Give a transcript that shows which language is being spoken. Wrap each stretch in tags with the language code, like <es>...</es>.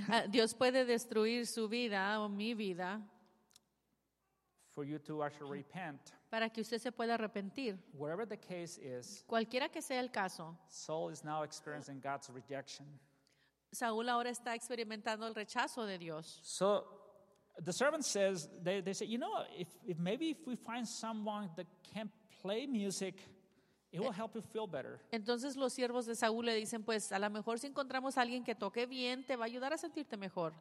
<es>Dios puede destruir su vida o mi vida.</es> <en>For you to actually repent.</en> <es>Para que usted se pueda arrepentir.</es> <en>Whatever the case is,</en> <es>cualquiera que sea el caso,</es> <en>Saul is now experiencing God's rejection.</en> <es>Saúl ahora está experimentando el rechazo de Dios.</es> <en>So the servant says, they say, you know, if we find someone that can play music, it will help you feel better.</en> <es>Entonces los siervos de Saúl le dicen, pues a lo mejor si encontramos a alguien que toque bien, te va a ayudar a sentirte mejor.</es>